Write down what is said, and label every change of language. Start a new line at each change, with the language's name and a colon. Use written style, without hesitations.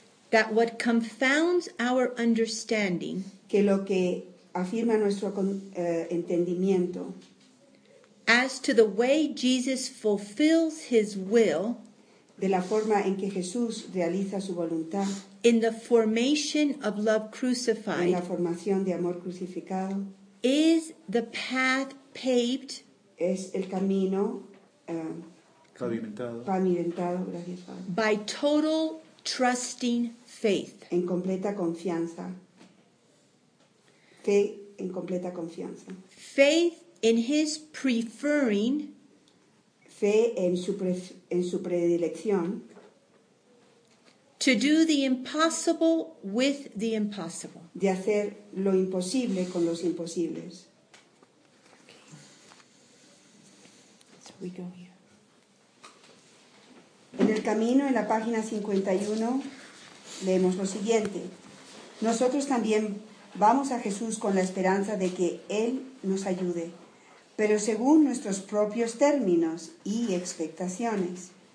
English: that what confounds our understanding,
Spanish: que lo que afirma nuestro entendimiento,
English: as to the way Jesus fulfills his will,
Spanish: de la forma en que Jesús realiza su voluntad,
English: in the formation of love crucified,
Spanish: en la formación de amor crucificado,
English: is the path paved,
Spanish: es el camino pavimentado, gracias,
English: by total trusting faith,
Spanish: en completa confianza, fe en completa confianza,
English: faith in his preferring,
Spanish: fe en su predilección,
English: to do the impossible with the impossible,
Spanish: de hacer lo imposible con los imposibles.
English: Okay. So we go here.
Spanish: En el camino, en la página 51, leemos lo siguiente. Nosotros también vamos a Jesús con la esperanza de que Él nos ayude, pero según nuestros propios términos y expectaciones.